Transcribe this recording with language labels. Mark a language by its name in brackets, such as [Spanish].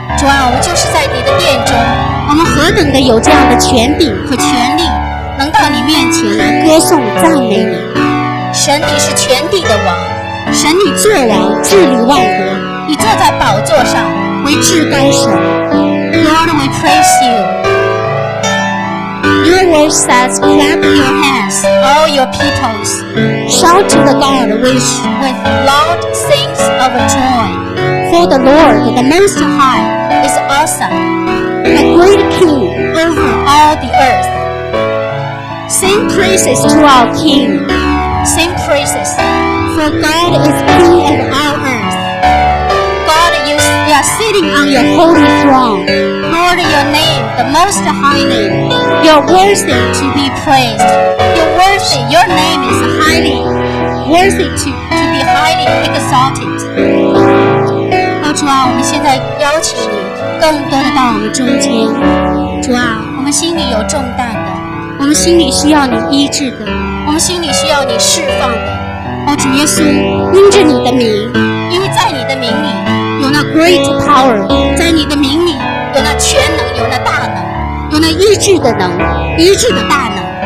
[Chinese] 主啊，我们就是在你的殿中，我们何等的有这样的权柄和权力，能到你面前来歌颂赞美你。神，你是全地的王，神，你作王治理万国，你坐在宝座上为至高神。 [English] Lord, we praise you. Your word says, clap your hands, all your peoples. Shout to the God with loud sings of joy. For the Lord, the Most High, is awesome, the great King over all the earth. Sing praises to our King. Sing praises. For God is King of all earth. God, you are sitting on your holy throne. Lord, your name, the Most High name, you're worthy to be praised. Your name is highly worthy to be highly exalted. [Chinese] 主啊，我们现在邀请你更多的到我们中间。主啊，我们心里有重担的，我们心里需要你医治的，我们心里需要你释放的。主耶稣，因着你的名，因为在你的名里有那 [English] great power， [Chinese] 在你的名里有那全能，有那大能，有那医治的能，医治的大能。